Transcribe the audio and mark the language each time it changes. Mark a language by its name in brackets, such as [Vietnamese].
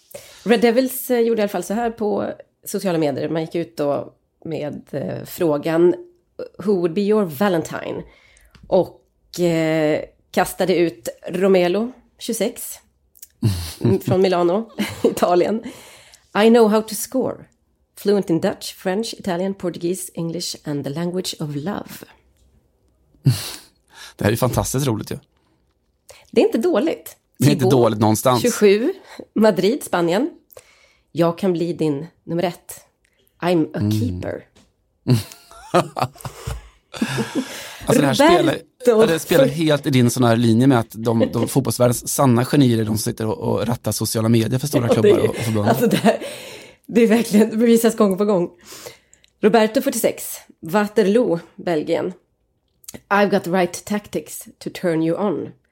[Swedish] Ja. Red Devils gjorde i alla fall så här på sociala medier. Man gick ut då med frågan, [English] who would be your Valentine? [Swedish] Och kastade ut Romelu, 26, från Milano, Italien. [English] I know how to score. Fluent in Dutch, French, Italian, Portuguese, English and the language of love. [Swedish] Det här är ju fantastiskt roligt ju. Det är inte dåligt. Det är inte dåligt någonstans. 27, Madrid, Spanien. Jag kan bli din nummer ett. [English] I'm a keeper. [Swedish] Alltså det här spelar helt i din sån här linje med att de fotbollsvärldens sanna genier är de som sitter och rattar sociala medier för stora klubbar och förbundar. Alltså det är verkligen, det bevisas gång på gång. Roberto, 46, Waterloo, Belgien. [English] I've got the right tactics to turn you on.